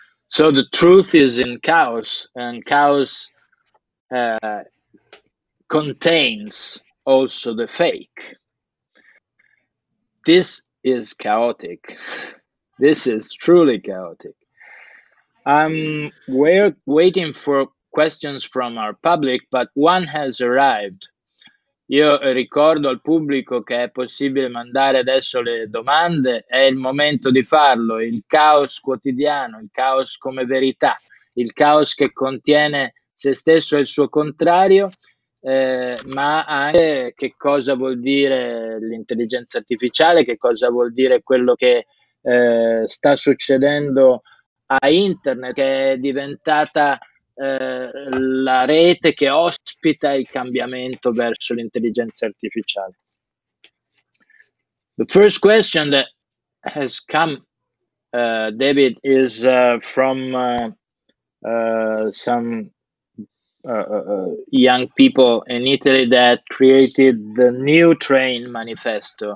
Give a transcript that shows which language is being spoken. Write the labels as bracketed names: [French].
[English] So the truth is in chaos, and chaos contains also the fake. This is chaotic. This is truly chaotic. We're waiting for questions from our public, but one has arrived. [Italian] Io ricordo al pubblico che è possibile mandare adesso le domande, è il momento di farlo. Il caos quotidiano, il caos come verità, il caos che contiene se stesso e il suo contrario, ma anche che cosa vuol dire l'intelligenza artificiale, che cosa vuol dire quello che sta succedendo a internet, che è diventata la rete che ospita il cambiamento verso l'intelligenza artificiale. [English] The first question that has come, David, is from some young people in Italy that created the New Train Manifesto.